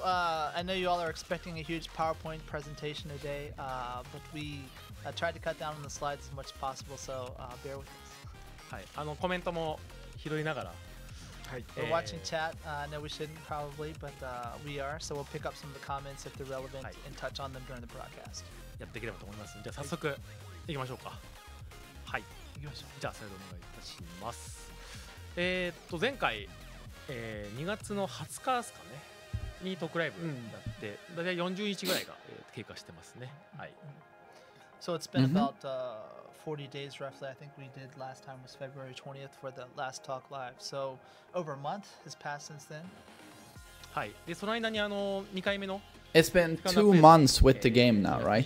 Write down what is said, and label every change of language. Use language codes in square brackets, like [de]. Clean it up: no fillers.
[en] I know you all are expecting a huge PowerPoint presentation today, but we tried to cut down on the slides as much as possible, so bear with us. [ja] はい。あのコメントも拾いながら。 [en] We're watching chat. No, we shouldn't probably, but we are. So we'll pick up some of the comments if they're relevant and touch on them during the broadcast. [ja] やっていければと思いますじゃあ早速いきましょうか。はい、じゃあ再度お願いいたします。前回2月の20日ですかね、にトークライブだって、大体40日ぐらいが経過してますね。はい。So [en] it's been about 40 days roughly. I think we did last time was February 20th for the last talk live. So over a month has passed since then. It's been 2 months with the game now, right?